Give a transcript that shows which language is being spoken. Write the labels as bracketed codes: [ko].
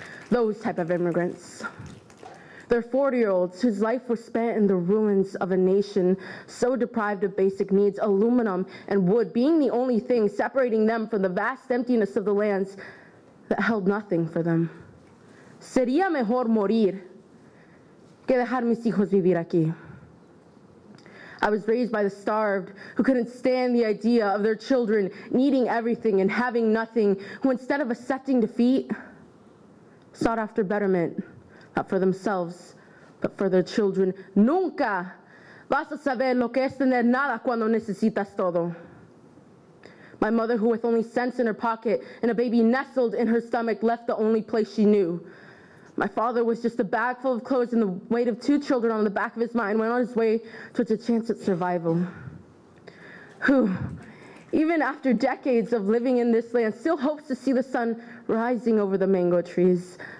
[en] Those type of immigrants. They're 40-year-olds whose life was spent in the ruins of a nation so deprived of basic needs, aluminum and wood being the only thing separating them from the vast emptiness of the lands that held nothing for them. [es] Sería mejor morir que dejar mis hijos vivir aquí. [en] I was raised by the starved who couldn't stand the idea of their children needing everything and having nothing, who instead of accepting defeat, sought after betterment, not for themselves, but for their children. [es] Nunca vas a saber lo que es tener nada cuando necesitas todo. [en] My mother, who with only cents in her pocket and a baby nestled in her stomach, left the only place she knew. My father was just a bag full of clothes and the weight of two children on the back of his mind, went on his way towards a chance at survival. Who, even after decades of living in this land, still hopes to see the sun rising over the mango trees.